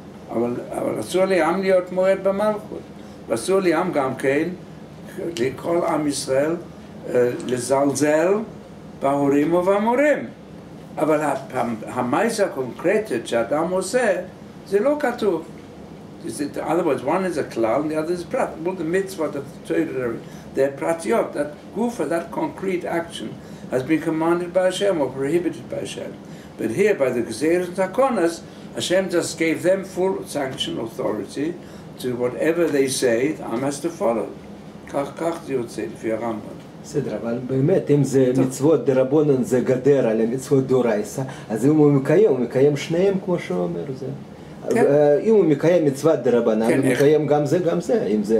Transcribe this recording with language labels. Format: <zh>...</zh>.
<he>אבל אסור לעם להיות מורד במלכות. ואסור לעם גם כן, לכל עם ישראל, לזלזל בהורים ובמורים. אבל המעשה הקונקרטית שאדם עושה, זה לא כתוב.</he> <en>Is it, in other words, one is a klal and the other is a prat. Well, the mitzvah, the Torah, they're pratiot. That gufa, that concrete action, has been commanded by Hashem or prohibited by Hashem. But here, by the gezeirot and takonos, Hashem just gave them full sanction authority to whatever they say, the Am has to follow.</en> <he>Kach di yotze, lefi Rambam. בסדר, אבל באמת, אם זה מצוות דרבנן, זה גדר על המצוות דורייסא, אז אם הוא מקיים שניהם, כמו שהוא אומר, זה... כן. אם הוא מקיים מצוות דרבנן, כן, הוא מקיים איך... גם זה, גם זה, אם זה,</he>